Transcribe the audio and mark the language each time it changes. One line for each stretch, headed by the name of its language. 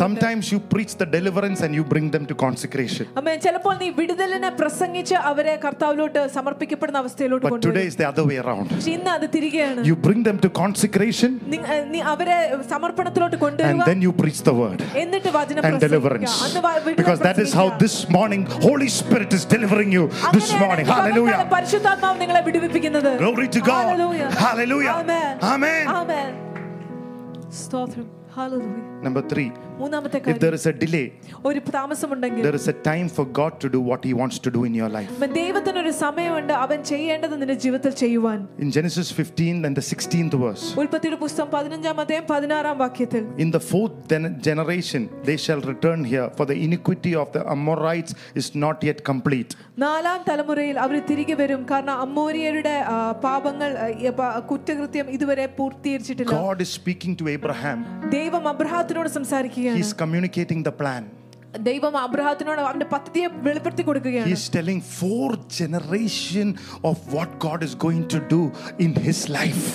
English: Sometimes you preach the deliverance and you bring them to consecration. Amen.
Malayalam: ചിലപ്പോൾ നീ വിടുതലിനെ പ്രസംഗിച്ച് അവരെ കർത്താവിലോട്ട് സമർപ്പിക്കപ്പെടുന്ന അവസ്ഥയിലോട്ട് കൊണ്ടുപോകും.
English: But today is the other way around.
Malayalam: ഇന്ന് അത് തിരികെയാണ്.
English: You bring them to consecration.
Malayalam: നീ അവരെ സമർപ്പണത്തിലോട്ട് കൊണ്ടുവരുക.
English: And then you preach the word.
Malayalam: എന്നിട്ട് വചനം പ്രസംഗിക്കുക.
English: And deliverance. Because that is how this morning Holy Spirit is delivering you this morning. Hallelujah.
Malayalam: പരിശുദ്ധാത്മാവ് നിങ്ങളെ വിടുവിപ്പിക്കുന്നു.
English: Glory to God. Hallelujah. Hallelujah. Amen. Amen. Amen. Stotram. Hallelujah. Number 3.
Malayalam: മൂന്നാമത്തെ കാര്യം.
English: If there is a delay.
Malayalam: ഒരു താമസമുണ്ടെങ്കിൽ.
English: There is a time for God to do what he wants to do in your life.
Malayalam: അവൻ ദൈവത്തിന് ഒരു സമയമുണ്ട് അവൻ ചെയ്യേണ്ടത് നിന്റെ ജീവിതത്തിൽ ചെയ്യുവാൻ.
English: In Genesis 15 and the 16th verse.
Malayalam: ഉൽപ്പത്തിയുടെ പുസ്തകം 15-ാം അധ്യായം 16-ാം വാക്യത്തിൽ.
English: In the fourth generation they shall return here for the iniquity of the Amorites is not yet complete.
Malayalam: നാലാം തലമുറയിൽ അവർ തിരികെ വരും കാരണം അമ്മോരിയരുടെ പാപങ്ങൾ കുറ്റകൃത്യം ഇതുവരെ പൂർത്തീകരിച്ചിട്ടില്ല.
English: God is speaking to Abraham.
Malayalam: ദൈവം അബ്രഹാമിനോട് സംസാരിക്കുകയാണ്.
English: He is communicating the plan.
Malayalam: ദൈവം അബ്രഹാമിനോട് അവന്റെ പദ്ധതിയെ വെളിപ്പെടുത്തി കൊടുക്കുകയാണ്.
English: He is telling four generation of what God is going to do in his life.